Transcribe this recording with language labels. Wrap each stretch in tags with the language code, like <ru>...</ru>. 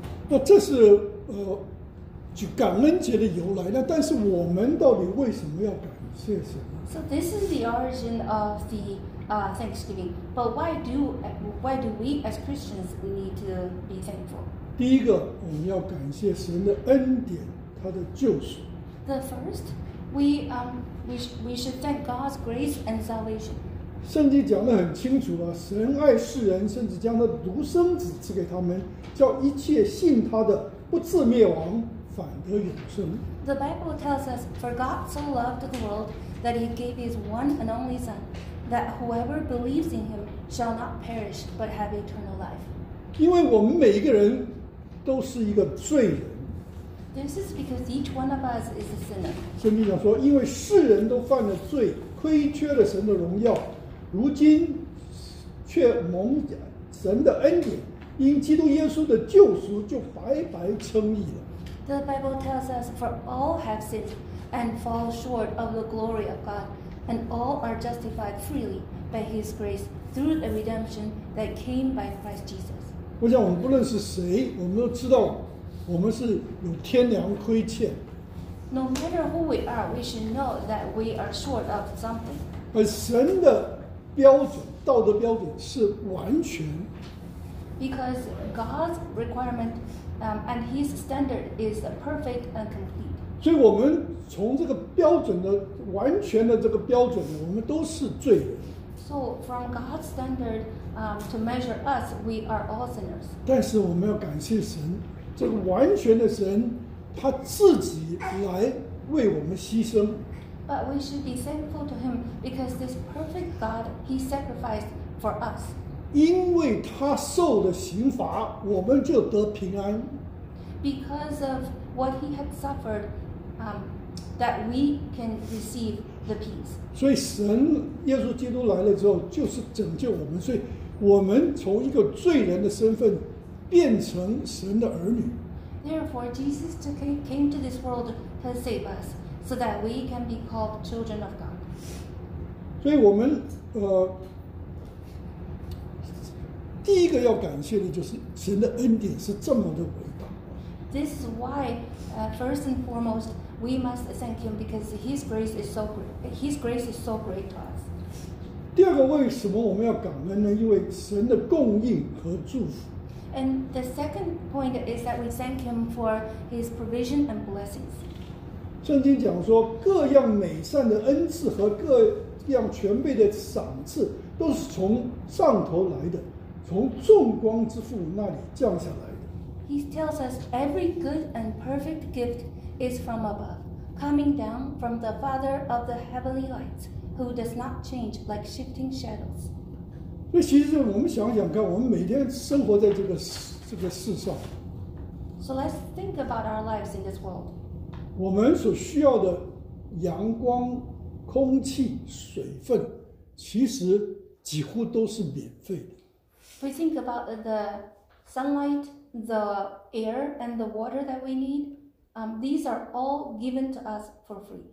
<zh>那这是就感恩节的由来。那但是我们到底为什么要感谢什么？</zh> <en>So this is the origin of the Thanksgiving. But why do we as Christians need to be thankful?</en> <zh>第一个，我们要感谢神的恩典，他的救赎。</zh> <en>The first, we should thank God's grace and salvation.</en> <zh>圣经讲得很清楚啊，神爱世人，甚至将他独生子赐给他们，叫一切信他的不至灭亡，反得永生。</zh> <en>The Bible tells us, for God so loved the world that he gave his one and only Son, that whoever believes in him shall not perish but have eternal life.</en> <zh>因为我们每一个人都是一个罪人。</zh> <en>This is because each one of us is a sinner.</en> <zh>圣经讲说，因为世人都犯了罪，亏缺了神的荣耀。如今却蒙神的恩典，因基督耶稣的救赎，就白白称义了。</zh> <en>The Bible tells us, for all have sinned and fall short of the glory of God, and all are justified freely by His grace through the redemption that came by Christ Jesus.</en> <zh>我想我们不论是谁，我们都知道我们是有天良亏欠。</zh> <en>No matter who we are, we should know that we are short of something.</en> <zh>而神的标准，道德标准是完全。</zh> <en>Because God's requirement, and His standard is perfect and complete.</en> <zh>所以我们从这个标准的完全的这个标准，我们都是罪人。</zh> <en>So from God's standard, to measure us, we are all sinners.</en> <zh>但是我们要感谢神，这个完全的神，他自己来为我们牺牲。</zh> <en>But we should be thankful to Him because this perfect God, He sacrificed for us.</en> <zh>因为他受的刑罚，我们就得平安。</zh> <en>Because of what He had suffered, that we can receive the peace.</en> <zh>所以神耶稣基督来了之后，就是拯救我们，所以我们从一个罪人的身份变成神的儿女。</zh> <en>Therefore, Jesus came to this world to save us, so that we can be called children of God.</en> <zh>所以我们第一个要感谢的就是神的恩典是这么的伟大。</zh> <en>This is why, first and foremost, we must thank Him because His grace is so great to us.</en> <zh>第二个，为什么我们要感恩呢？因为神的供应和祝福。</zh> <en>And the second point is that we thank Him for His provision and blessings.</en> <zh>圣经讲说，各样美善的恩赐和各样全备的赏赐，都是从上头来的，从众光之父那里降下来的。</zh> <en>He tells us every good and perfect gift is from above, coming down from the Father of the heavenly lights, who does not change like shifting shadows.</en> <zh>那其实我们想想看，我们每天生活在这个世上。</zh> <en>So let's think about our lives in this world.</en> <zh>我们所需要的阳光、空气、水分，其实几乎都是免费的。</zh> <en>We think about the sunlight, the air, and the water that we need. These are all given to us for free.</en>